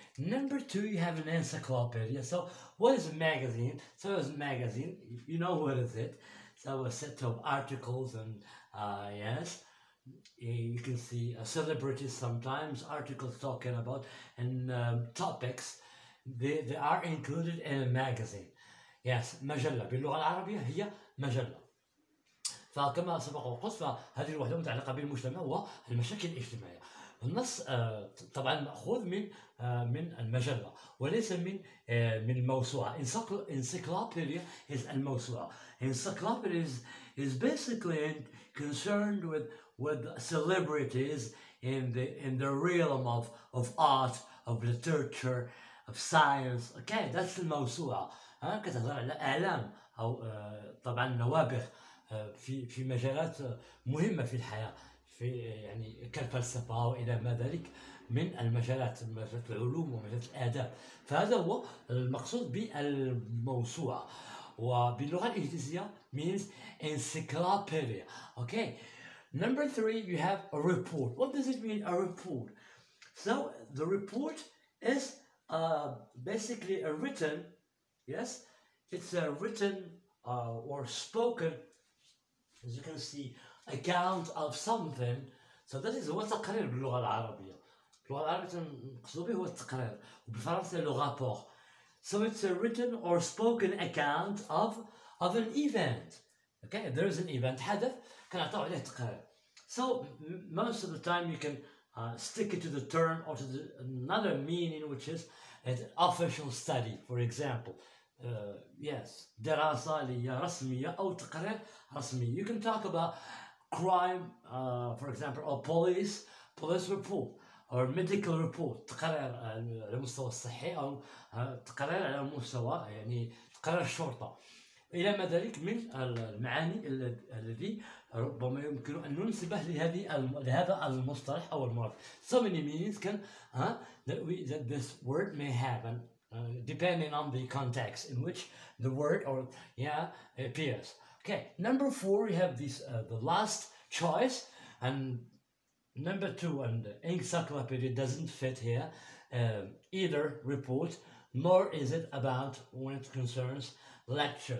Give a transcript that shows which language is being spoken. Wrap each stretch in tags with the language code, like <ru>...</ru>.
<en>Number two, you have an encyclopedia. So what is a magazine? So it's a magazine, you know what is it. So a set of articles and yes, you can see celebrities sometimes, articles talking about and topics, they are included in a magazine. Yes,</en> <ar>مجلة باللغة العربية هي مجلة. فكما سبق وقلت، فهذه الوحدة متعلقة بالمجتمع والمشاكل الاجتماعية. النص طبعا مأخوذ من المجلة وليس من الموسوعة.</ar> <en>Encyclopedia is</en> <ar>الموسوعة.</ar> <en>Encyclopedia is basically concerned with celebrities in the realm of art, of literature, of science. Okay, that's</en> <ar>الموسوعة. كتهضر على الإعلام أو طبعا النوابغ في مجالات مهمة في الحياة، في يعني كالفلسفة وإلى ما ذلك من المجالات، مجالات العلوم ومجالات الآداب. فهذا هو المقصود بالموسوعة، وباللغة الإنجليزية</ar> <en>means encyclopedia. Okay. Number three, you have a report. What does it mean, a report? So the report is basically a written, yes, it's a written or spoken, as you can see, account of something. So this is what</en> <ar>تقرير باللغة العربية. اللغة العربية المقصود به هو التقرير، وبالفرنسية لو رابور.</ar> <en>So it's a written or spoken account of an event. Okay, there is an event,</en> <ar>حدث، كنعطيو عليه تقرير.</ar> <en>So most of the time you can stick it to the term or to another meaning, which is an official study, for example. Yes,</en> <ar>دراسة رسمية أو تقرير رسمي.</ar> <en>You can talk about crime, for example, or police report, or medical report.</en> <ar>تقرير على مستوى الصحي أو تقرير على مستوى يعني تقرير الشرطة. إلى ما ذلك من المعاني الذي ربما يمكن أن ننسبه لهذا المصطلح أو المعرف.</ar> <en>So many meanings can that this word may have. Depending on the context in which the word or appears. Okay, number four, we have this the last choice, and number two and encyclopedia doesn't fit here, either report, nor is it about when it concerns lecture.</en>